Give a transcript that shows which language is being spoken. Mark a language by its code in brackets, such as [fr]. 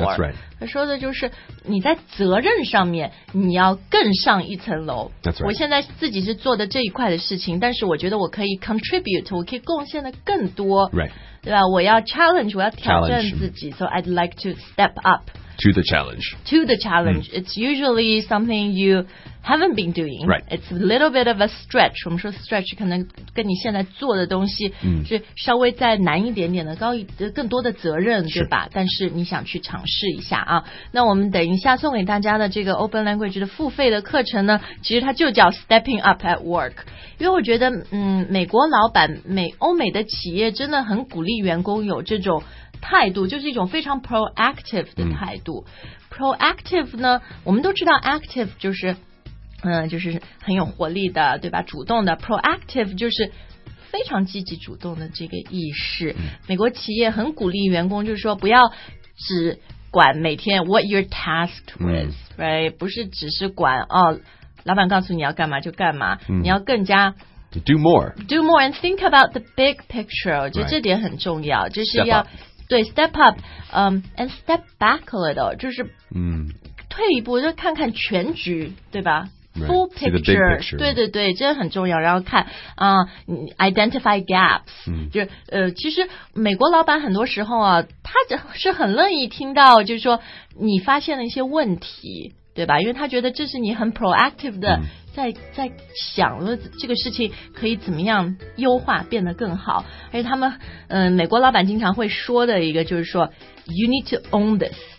[en] That's right. [zh] 它说的就是你在责任上面你要更上一层楼、 [en] That's right. [zh] 我现在自己是做的这一块的事情，但是我觉得我可以 contribute， 我可以贡献的更多、 [en] right. [zh] 对吧，我要 challenge， 我要挑战自己、 [en] challenge. So I'd like to step up To the challenge. To the challenge.、It's usually something you haven't been doing. Right. It's a little bit of a stretch. [zh] 我们说 stretch 可能跟你现在做的东西是稍微再难一点点的，高一更多的责任，对吧？但是你想去尝试一下啊。那我们等一下送给大家的这个 Open Language 的付费的课程呢，其实它就叫 Stepping Up at Work. 因为我觉得美国老板，欧美的企业真的很鼓励员工有这种态度，就是一种非常 proactive 的态度。 Proactive 呢，我们都知道 active 就是，就是很有活力的，对吧？主动的。 Proactive 就是非常积极主动的这个意识。美国企业很鼓励员工，就是说不要只管每天 [en] what you're tasked with， right？ [zh] 不是只是管哦，老板告诉你要干嘛就干嘛，你要更加。 [en] Do more and think about the big picture. [zh] 我觉得这点很重要，就是要。对 [en] step up、and step back a little [zh] 就是退一步就看看全局对吧 full [en] right, picture, the big picture [zh] 对对对这很重要然后看、 [en] identify gaps、 [zh] 就其实美国老板很多时候啊他是很乐意听到就是说你发现了一些问题对吧因为他觉得这是你很 proactive 的、在想这个事情可以怎么样优化变得更好而且他们美国老板经常会说的一个就是说 [en] You need to own this